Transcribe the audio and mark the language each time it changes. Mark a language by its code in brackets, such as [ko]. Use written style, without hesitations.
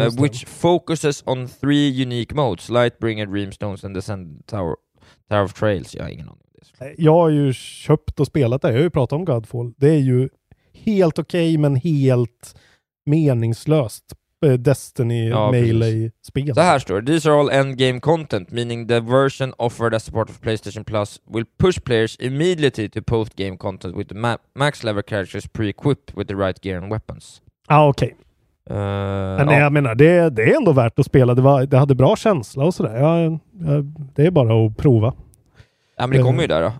[en] Which focuses on three unique modes. Lightbringer, Dreamstones and Descent Tower of Trails. [sv] Jag har ingen aning om det. Jag har ju köpt och spelat det. Jag har ju pratat om Godfall. Det är ju helt okej, men helt meningslöst Destiny Melee-spel. Så här står det. [en] These are all endgame content, meaning the version offered as support of PlayStation Plus will push players immediately to post-game content with the max level characters pre-equipped with the right gear and weapons. Ah, okej. Okay. [sv] Jag menar, det är ändå värt att spela. Det hade bra känsla och sådär. Det är bara att prova. Ja, men det kommer ju där då.